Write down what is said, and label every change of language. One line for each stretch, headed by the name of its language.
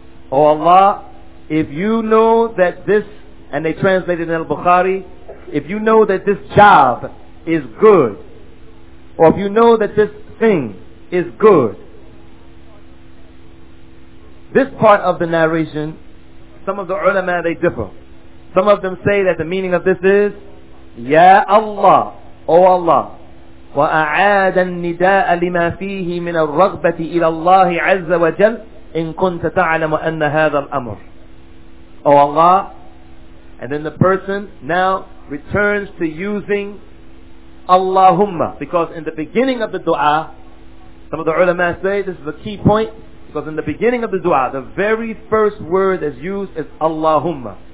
English: Oh Allah, if you know that this, and they translated in al-Bukhari, if you know that this job is good, or if you know that this thing is good. This part of the narration, some of the ulama, they differ. Some of them say that the meaning of this is, "Ya Allah, oh Allah,
Arabic: وَأَعَادَ النِّدَاءَ لِمَا فِيهِ مِنَ الرَّغْبَةِ إِلَى اللَّهِ عَزَّ وَجَلْ إِن كُنْتَ تَعْلَمُ أَنَّ هَذَا الْأَمْرِ."
English: Oh Allah, and then the person now returns to using Allahumma, because in the beginning of the dua, some of the ulama say this is a key point, because in the beginning of the dua, the very first word that's used is Allahumma.